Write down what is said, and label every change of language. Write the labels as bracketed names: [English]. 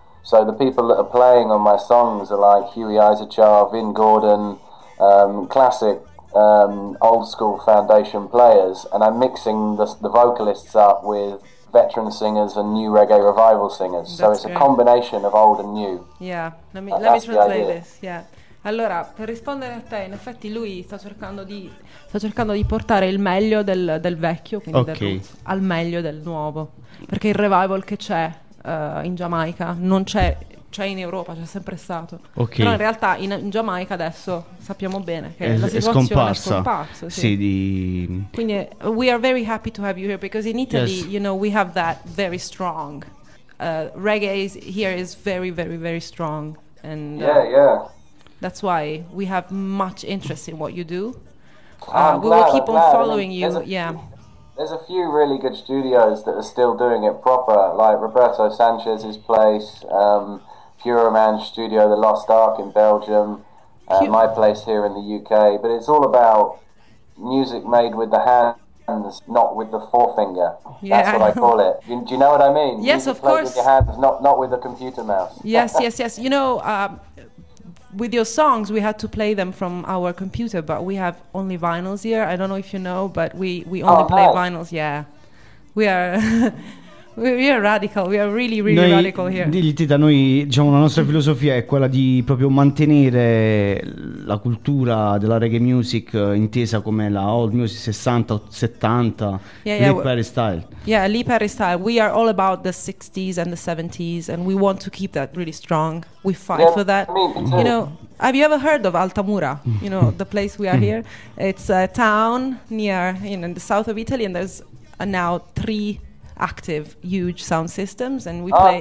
[English] So the people that are playing on my songs are like Huey Isaacar, Vin Gordon, classic old-school foundation players, and I'm mixing the vocalists up with veteran singers and new reggae revival singers. so it's great. A combination of old and new. Yeah, let me translate this. Yeah. [Italian] Allora, per rispondere a te, in effetti lui sta cercando di portare il meglio del vecchio, quindi del roots, al meglio del nuovo, perché il revival che c'è in Jamaica non c'è. C'è in Europa, c'è sempre stato. [English] Okay. [Italian] Però in realtà in Giamaica adesso sappiamo bene che la situazione è scomparsa. Sì. [English] Quindi we are very happy to have you here because in Italy, you know, we have that very strong reggae here is very very very strong and that's why we have much interest in what you do. We will keep on following you. There's a few really good studios that are still doing it proper, like Roberto Sanchez's place, Pure Man Studio, The Lost Ark in Belgium, my place here in the UK. But it's all about music made with the hands, not with the forefinger. Yeah, that's what I call it. Do you know what I mean? Yes, music of course. With your hands, not with the computer mouse. Yes, yes, yes. You know, with your songs, we had to play them from our computer, but we have only vinyls here. I don't know if you know, but we only play vinyls. Yeah, we are... We are really radical here. [Italian] Tita, noi, diciamo, la nostra filosofia è quella di proprio mantenere la cultura della reggae music intesa come la old music 60-70, Lee Perry style. [English] Yeah, Lee Perry style. We are all about the 60s and the 70s and we want to keep that really strong. We fight for that. You know, have you ever heard of Altamura? You know, the place we are here. It's a town near, you know, in the south of Italy, and there's now three active huge sound systems and we play